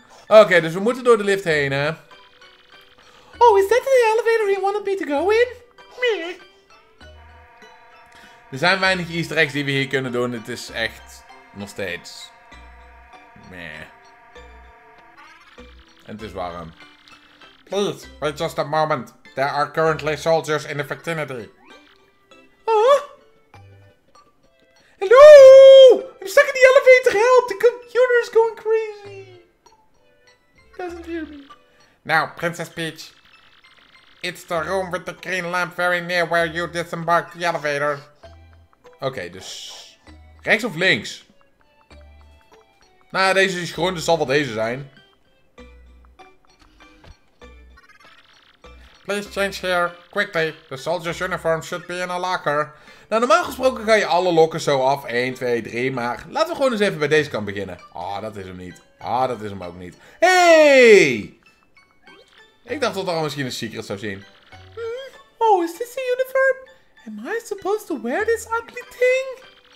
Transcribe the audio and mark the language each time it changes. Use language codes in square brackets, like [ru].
[nl] Okay, dus we moeten door de lift heen, hè? [en] Oh, is that the elevator he wanted me to go in? [nl] Er zijn weinig easter eggs die we hier kunnen doen. Het is echt nog steeds... meh. En het is warm. [en] Please, wait just a moment. There are currently soldiers in the vicinity. Hallo! I'm stuck in the elevator, help! The computer is going crazy! Doesn't hear me. Now, Princess Peach. It's the room with the green lamp very near where you disembarked the elevator. [nl] Okay, dus... rechts of links? Nou, deze is groen, dus zal wel deze zijn. Please change here, quickly. The soldier's uniform should be in a locker. Nou, normaal gesproken ga je alle lokken zo af. 1, 2, 3, maar laten we gewoon eens even bij deze kant beginnen. Ah, dat is hem niet. Ah, dat is hem ook niet. Hé! Hey! Ik dacht dat er al misschien een secret zou zien. [en] Oh, is this a uniform? Am I supposed to wear this ugly thing?